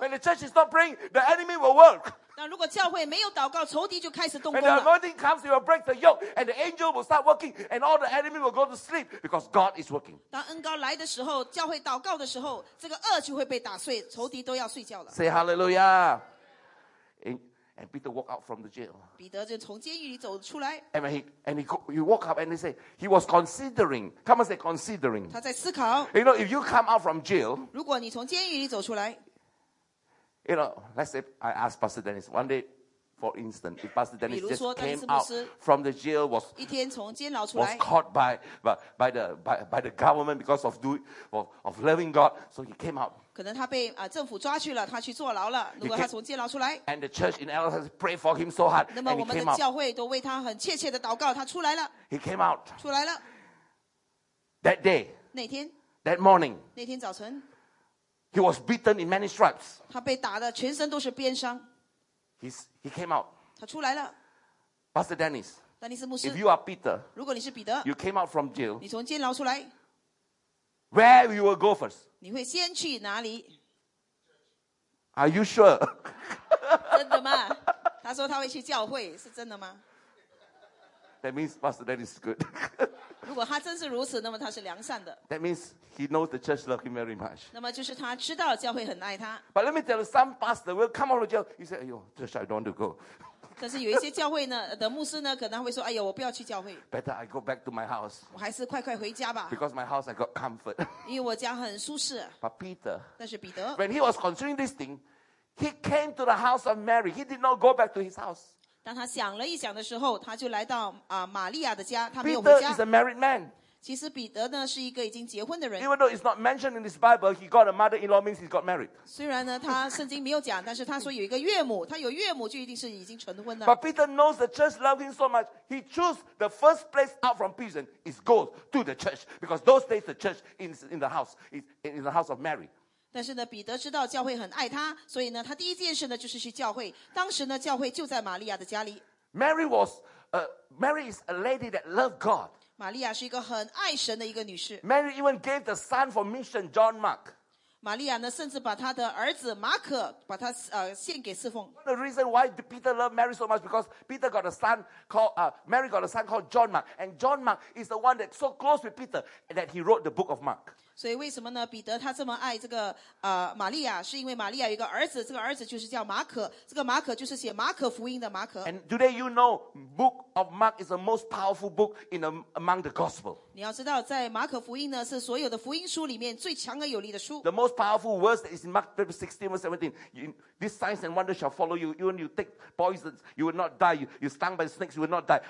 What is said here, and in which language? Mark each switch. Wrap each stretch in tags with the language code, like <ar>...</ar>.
<en>When the church is not praying, the enemy will work.</en> <zh>当如果教会没有祷告，仇敌就开始动工</zh> <en>了。When the anointing comes, you will break the yoke, and the angel will start working, and all the enemy will go to sleep because God is working.</en> <zh>当恩膏来的时候，教会祷告的时候，这个恶就会被打碎，仇敌都要睡觉了。</zh> <en>Say hallelujah. And Peter walked out from the jail.</en> <zh>彼得就从监狱里走出来。</zh> <en>And he woke up and he said he was considering. Come and say considering.</en> <zh>他在思考。</zh> <en>You know, if you come out from jail.</en> <zh>如果你从监狱里走出来。</zh> <en>You know, let's say I asked Pastor Dennis one day, for instance, if Pastor Dennis just came out from the jail was caught by the government because of loving God, so he came out.</en> <zh>可能他被政府抓去了，他去坐牢了。如果他从监牢出来</zh> <en>，and the church in LA prayed for him so hard,</en> <zh>那么我们的教会都为他很切切的祷告，他出来了。</zh> <en>He came out.</en> <zh>出来了。</zh> <en>That day.</en> <zh>那天。</zh> <en>That morning.</en> <zh>那天早晨。</zh> <en>He was beaten in many stripes.</en> <zh>他被打的全身都是鞭伤。</zh> <en>He came out.</en> <zh>他出来了。</zh> <en>Pastor Dennis.</en> <zh>丹尼斯牧师。</zh> <en>If you are Peter.</en> <zh>如果你是彼得。</zh> <en>You came out from jail.</en> <zh>你从监牢出来。</zh> <en>Where you will go first?</en> <zh>你会先去哪里？</zh> <en>Are you sure?</en> <zh>真的吗？他说他会去教会，是真的吗？</zh> <en>That means Pastor Dennis is good.</en> <zh>如果他真是如此，那么他是良善的。</zh> <en>That means he knows the church loves him very much.</en> <zh>那么就是他知道教会很爱他。</zh> <en>But let me tell you, some pastor will come out of jail. He say, "Ayo, church, I don't want to go."</en> <zh>但是有一些教会呢的牧师呢，可能会说，哎呦，我不要去教会。</zh> <en>Better I go back to my house.</en> <zh>我还是快快回家吧。</zh> <en>Because my house I got comfort.</en> <zh>因为我家很舒适。</zh> <en>But Peter.</en> <zh>但是彼得。</zh> <en>When he was considering this thing, he came to the house of Mary. He did not go back to his house.</en> <zh>当他想了一想的时候，他就来到玛利亚的家，他没有回</zh> <en>家。Peter is a married man.</en> <zh>其实彼得呢是一个已经结婚的人。</zh> <en>Even though it's not mentioned in this Bible, he got a mother-in-law means he got married.</en> <zh>虽然呢他圣经没有讲，但是他说有一个岳母，他有岳母就一定是已经成婚了。</zh> <en>But Peter knows the church loves him so much, he chose the first place out from prison is go to the church because those days the church is in the house of Mary.</en> <zh>但是呢，彼得知道教会很爱他，所以呢，他第一件事呢就是去教会。当时呢，教会就在玛利亚的家里。</zh> <en>Mary was, Mary is a lady that loved God.</en> <zh>玛利亚是一个很爱神的一个女士。</zh> <en>Mary even gave the son for mission, John Mark.</en> <zh>玛利亚呢，甚至把她的儿子马可把他献给侍奉。</zh> <en>The reason why Peter loved Mary so much because Peter got a son called Mary got a son called John Mark, and John Mark is the one that's so close with Peter that he wrote the book of Mark.</en> <zh>所以为什么呢？彼得他这么爱这个玛利亚，是因为玛利亚有一个儿子，这个儿子就是叫马可，这个马可就是写马可福音的马可。</zh> <en>And today you know, Book of Mark is the most powerful book among the gospel.</en> <zh>你要知道，在马可福音呢，是所有的福音书里面最强而有力的书。</zh> <en>The most powerful words is in Mark 16:17. These signs and wonders shall follow you. Even you take poisons, you will not die. You stung by snakes, you will not die.</en>